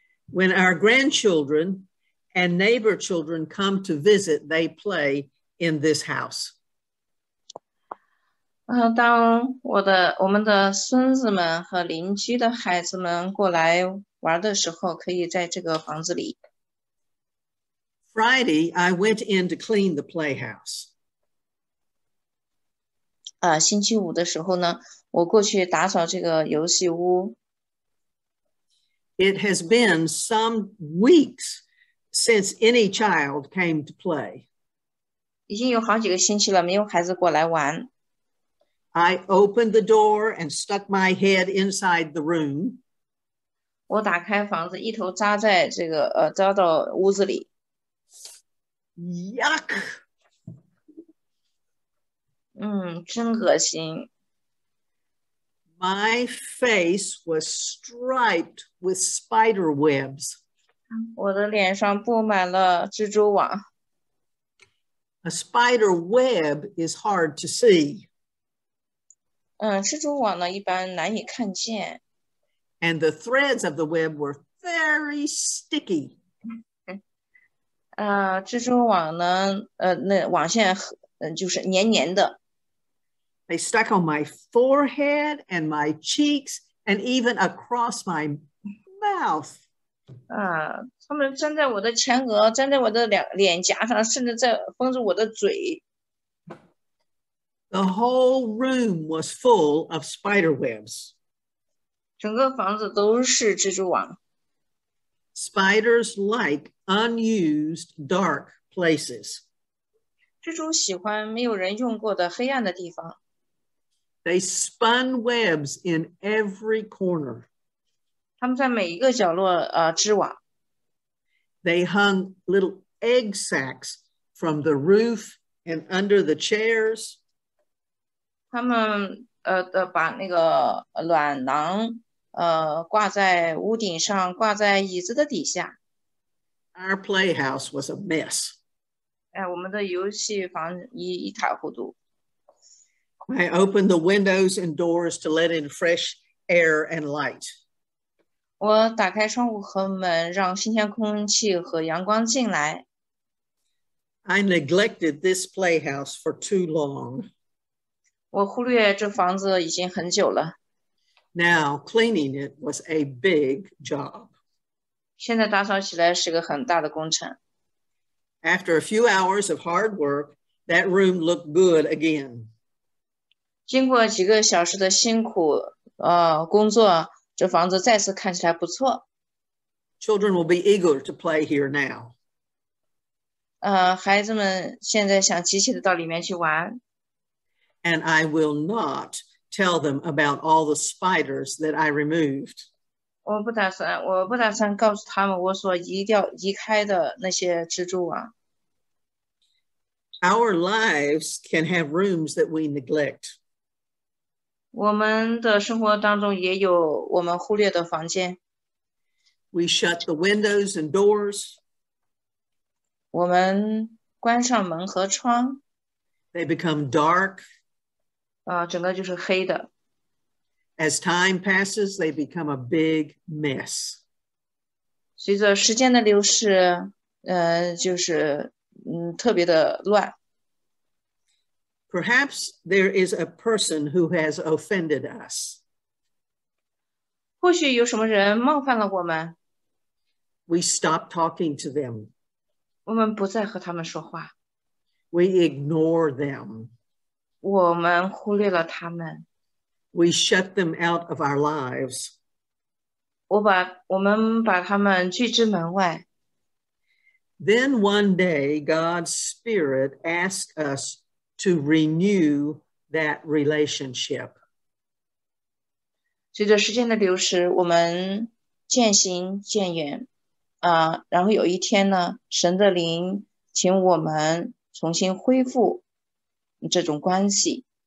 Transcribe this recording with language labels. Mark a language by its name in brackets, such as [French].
[English] When our grandchildren and neighbor children come to visit, they play in this house. [Chinese] 当我们的孙子们和邻居的孩子们过来玩的时候，可以在这个房子里。 [English] Friday, I went in to clean the playhouse. [Chinese] 星期五的时候呢，我过去打扫这个游戏屋。 [English] It has been some weeks since any child came to play. [Chinese] 已经有好几个星期了，没有孩子过来玩。 [English] I opened the door and stuck my head inside the room. [Chinese] 我打开房子，一头扎在这个扎到屋子里。 [English] Yuck! [Chinese] 真恶心。 [English] My face was striped with spider webs. [Chinese] 我的脸上布满了蜘蛛网。 [English] A spider web is hard to see. [Chinese] 蜘蛛网呢，一般难以看见。 [English] And the threads of the web were very sticky. [Chinese] 蜘蛛网呢，那网线就是黏黏的。 [English] They stuck on my forehead and my cheeks and even across my mouth. [Chinese] 他们粘在我的前额，粘在我的脸颊上，甚至在封住我的嘴。 [English] The whole room was full of spider webs. [Chinese] 整个房子都是蜘蛛网。 [English] Spiders like unused dark places. [Chinese] 蜘蛛喜欢没有人用过的黑暗的地方。 [English] They spun webs in every corner. [Chinese] 他们在每一个角落织网。 [English] They hung little egg sacs from the roof and under the chairs. [Chinese] 他们把那个卵囊挂在屋顶上，挂在椅子的底下。 [English] Our playhouse was a mess. [Chinese] 我们的游戏房一塌糊涂。 [English] I opened the windows and doors to let in fresh air and light. [Chinese] 我打开窗户和门，让新鲜空气和阳光进来。 [English] I neglected this playhouse for too long. [Chinese] 我忽略这房子已经很久了。 [English] Now, cleaning it was a big job. [Chinese] 现在打扫起来是个很大的工程。 [English] After a few hours of hard work, that room looked good again. [Chinese] 经过几个小时的辛苦工作，这房子再次看起来不错。 [English] Children will be eager to play here now. [Chinese] 孩子们现在想急切地到里面去玩。 [English] And I will not... tell them about all the spiders that I removed. [Chinese] 我不打算告诉他们我所移开的那些蜘蛛网。 [English] our lives can have rooms that we neglect. [Chinese] 我们的生活当中也有我们忽略的房间。 [English] We shut the windows and doors. [Chinese] 我们关上门和窗。 [English] They become dark. [Chinese] 整个就是黑的。 [English] As time passes, they become a big mess. [Chinese] 随着时间的流逝, 就是, 特别的乱。 [English] Perhaps there is a person who has offended us. [Chinese] 或许有什么人冒犯了我们。 [English] We stop talking to them. [Chinese] 我们不再和他们说话。 [English] We ignore them. [Chinese] 我们忽略了他们。 [English] We shut them out of our lives. [Chinese] 我们把他们拒之门外。 [English] Then one day, God's Spirit asked us to renew that relationship. [Chinese] 随着时间的流逝，我们渐行渐远。然后有一天呢, 神的灵请我们重新恢复这种关系。